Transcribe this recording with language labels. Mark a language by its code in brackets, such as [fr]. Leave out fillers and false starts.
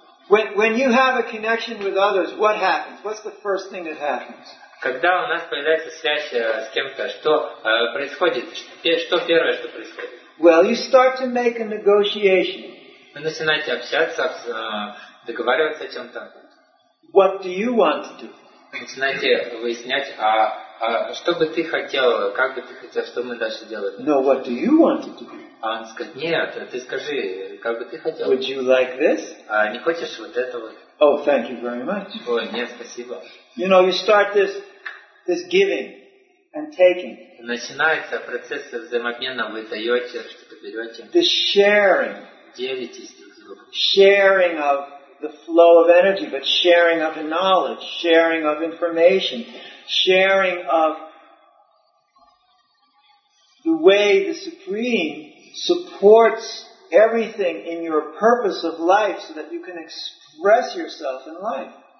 [en] When you have a connection with others, what happens? What's the first thing that happens? [ru] Когда у нас появляется связь с кем-то, что происходит? Что первое, что происходит? [en] Well, you start to make a negotiation. [ru] Вы начинаете общаться, договариваться о чем-то. [en] What do you want to do? [ru] Начинаете выяснять, а что бы ты хотел, как бы ты хотел, что мы дальше делаем? [en] No, what do you want to do? [ru] А он скажет, нет, ты скажи, как бы ты хотел. [en] Would you like this? [ru] А не хочешь вот это вот? [en] Oh, thank you very much. [ru] Ой, нет, спасибо. [en] You know, you start this giving and taking. [ru] Начинается процесс взаимообмена, вы даете, что-то берете. [en] The sharing. [ru] Делитесь друг с другом. [en] Sharing of the flow of energy, but sharing of the knowledge, sharing of information, sharing of the way the Supreme supports everything in your purpose of life so that you can express yourself in life.